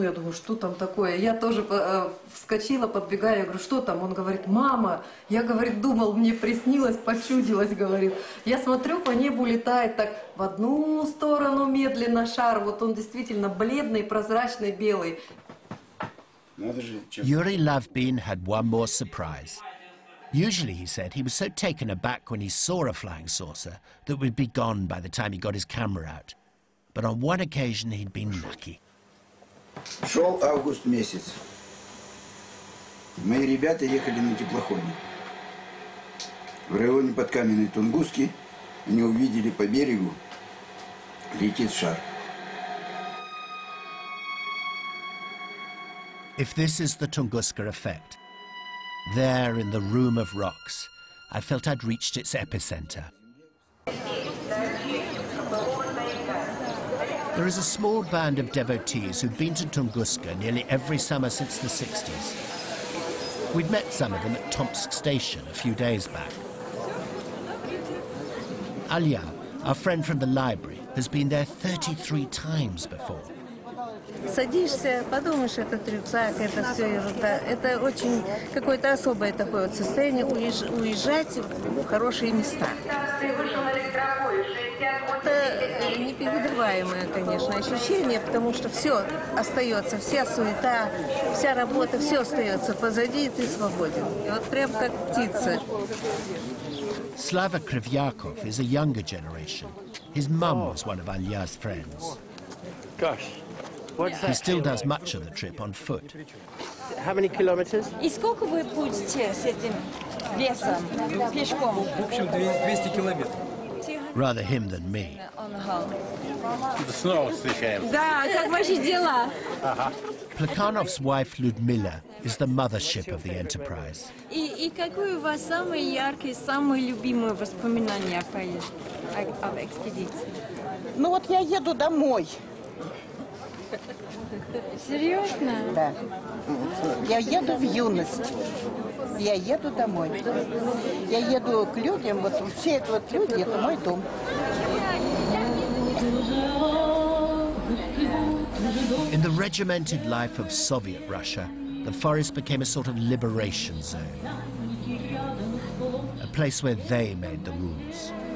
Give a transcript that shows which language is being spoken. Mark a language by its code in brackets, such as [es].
[ru] Я думаю, что там такое? Я тоже вскочила, подбегаю, я говорю, что там? Он говорит, мама. Я, говорит, думал, мне приснилось, почудилось, говорит. Я смотрю, по небу летает так в одну сторону медленно шар. Вот он действительно бледный, прозрачный, белый. [en] Юрий Лавбин had one more surprise. Usually, he said, he was so taken aback when he saw a flying saucer that we'd be gone by the time he got his camera out. But on one occasion, he'd been lucky. [ru] Шел август месяц. Мои ребята ехали на теплоходе. В районе под каменной Тунгуски они увидели по берегу летит шар. [en] If this is the Tunguska effect, there, in the room of rocks, I felt I'd reached its epicenter. There is a small band of devotees who've been to Tunguska nearly every summer since the 60s. We'd met some of them at Tomsk station a few days back. Alia, our friend from the library, has been there 33 times before. [ru] Садишься, подумаешь, это рюкзак, это все, это очень какое-то особое такое вот состояние уезжать в хорошие места. Это непередаваемое, конечно, ощущение, потому что все остается, вся суета, вся работа, все остается позади, и ты свободен. И вот прям как птица. [en] Slava Krivyakov is a younger generation. His mum was one of Alia's friends. Gosh. What's he still does like much of the trip on foot. How many kilometers? [ru] И сколько вы будете с этим весом пешком? В общем, 200 километров. [en] Rather him than me. [ru] Снова встречаем. Да, как ваши дела? [en] Plekhanov's wife Людмила is the mothership of the enterprise. [ru] И какое у вас самое яркое, самое любимое воспоминание о поездке, об экспедиции? Ну вот я еду домой. Серьезно? Да. Я еду в юность. Я еду домой. Я еду к людям. Вот все эти вот люди, это мой дом. [en] In the regimented life of Soviet Russia, the forest became a sort of liberation zone. A place where they made the rules.